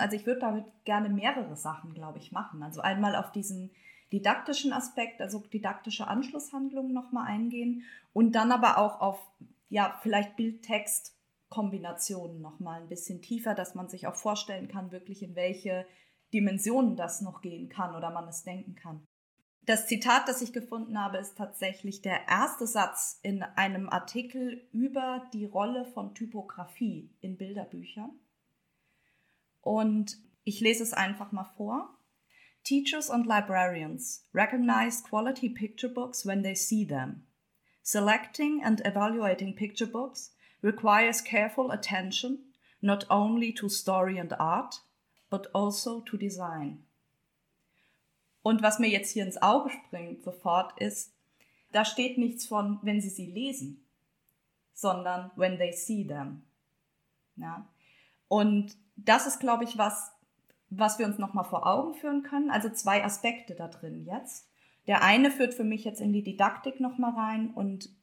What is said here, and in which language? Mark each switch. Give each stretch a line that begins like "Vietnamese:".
German: Also ich würde damit gerne mehrere Sachen, glaube ich, machen. Also einmal auf diesen didaktischen Aspekt, also didaktische Anschlusshandlungen nochmal eingehen und dann aber auch auf, ja, vielleicht Bild-Text-Kombinationen nochmal ein bisschen tiefer, dass man sich auch vorstellen kann, wirklich in welche Dimensionen das noch gehen kann oder man es denken kann. Das Zitat, das ich gefunden habe, ist tatsächlich der erste Satz in einem Artikel über die Rolle von Typografie in Bilderbüchern. Und ich lese es einfach mal vor.
English: Teachers and librarians recognize quality picture books when they see them. Selecting and evaluating picture books requires careful attention, not only to story and art, but also to design.
German: Und was mir jetzt hier ins Auge springt sofort ist, da steht nichts von, wenn sie sie lesen, sondern
English: when they see them.
German: Ja. Und das ist, glaube ich, was wir uns nochmal vor Augen führen können. Also zwei Aspekte da drin jetzt. Der eine führt für mich jetzt in die Didaktik nochmal rein und